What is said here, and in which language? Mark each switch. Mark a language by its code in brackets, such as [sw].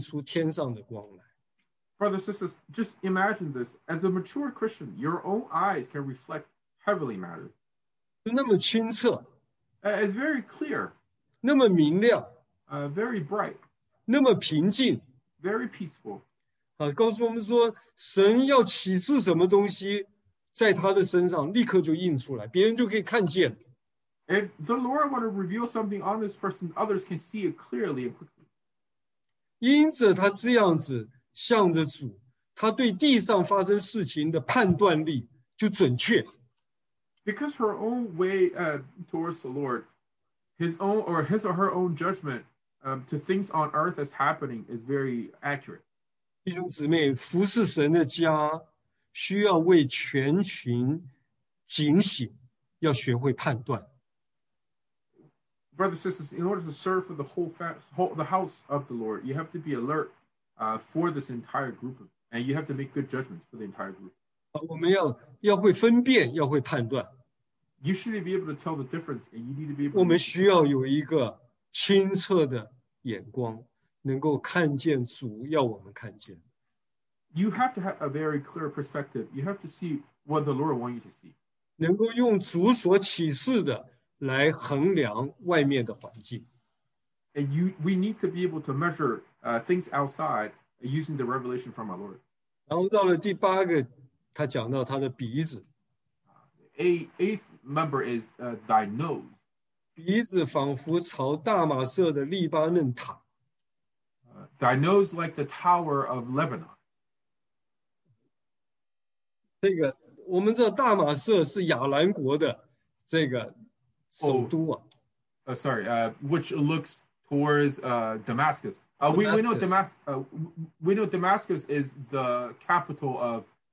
[zh] 弟兄姊妹，我们试想想这个情景：一个成熟的基督徒啊，他的眼光能够反映出天上的光来。 [en] Brothers and sisters, just imagine this. As a mature Christian, your own eyes can reflect heavenly matter. [zh] 那么清澈， [en] it's very clear. [zh] 那么明亮， [en] very bright. [zh] 那么平静， [en] very peaceful. [zh] 告诉我们说，神要启示什么东西在他的身上，立刻就印出来，别人就可以看见。 [en] If the Lord want to reveal something on this person, others can see it clearly and quickly. [zh] 因着他这样子向着主，他对地上发生事情的判断力就准确。 [en] Because her own way towards the Lord, his own or her own judgment to things on earth as happening is very accurate. [zh] 弟兄姊妹, 服侍神的家, 需要为全群警醒, 要学会判断。 [en] Brothers and sisters, in order to serve for the whole house of the Lord, you have to be alert for this entire group, and you have to make good judgments for the entire group. [zh] 我们要会分辨, 要会判断。 [en] You should be able to tell the difference, and you need to be able to. [zh] 我们需要有一个清澈的眼光, 能够看见主要我们看见。 [en] You have to have a very clear perspective. You have to see what the Lord wants you to see. [zh] 能够用主所启示的。来衡量外面的环境, [en] and we need to be able to measure things outside using the revelation from our Lord. [zh] 然后到了第八个, 他讲到他的鼻子, [en] eighth member is thy nose. [zh] 鼻子仿佛朝大马色的利巴嫩塔, [en] thy nose like the tower of Lebanon. [zh] 这个, 我们知道大马色是亚兰国的这个, [en] Which looks towards Damascus. We know Damascus is the capital of